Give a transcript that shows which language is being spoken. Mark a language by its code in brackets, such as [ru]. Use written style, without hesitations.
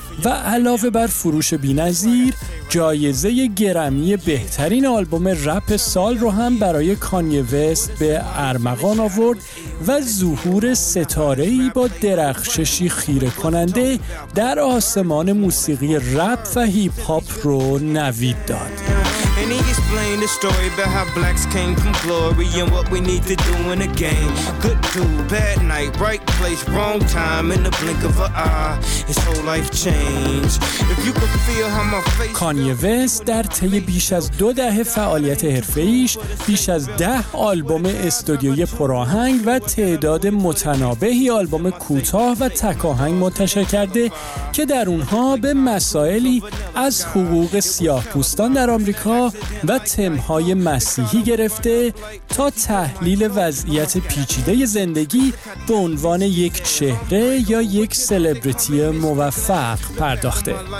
[fa] و علاوه بر فروش بی‌نظیر جایزه گرمی بهترین آلبوم رپ سال رو هم برای کانیه وست به ارمغان آورد و ظهور ستاره‌ای با درخششی خیره کننده در آسمان موسیقی رپ و هیپ هاپ رو نوید داد. [en] And he explained the story about how blacks came from glory and what we need to do in a game. Good dude, bad night, right place, wrong time, in the blink of an eye, his whole life changed. If you could feel how my face... [fa] کانیه وست در طی بیش از دو دهه فعالیت حرفه‌ایش بیش از 10 آلبوم استودیویی پرآهنگ و تعداد متنابهی آلبوم کوتاه و تکاهنگ منتشر کرده که در اونها به مسائلی از حقوق سیاه‌پوستان در آمریکا و تم‌های مسیحی گرفته تا تحلیل وضعیت پیچیده زندگی به عنوان یک چهره یا یک سلبریتی موفق پرداخته.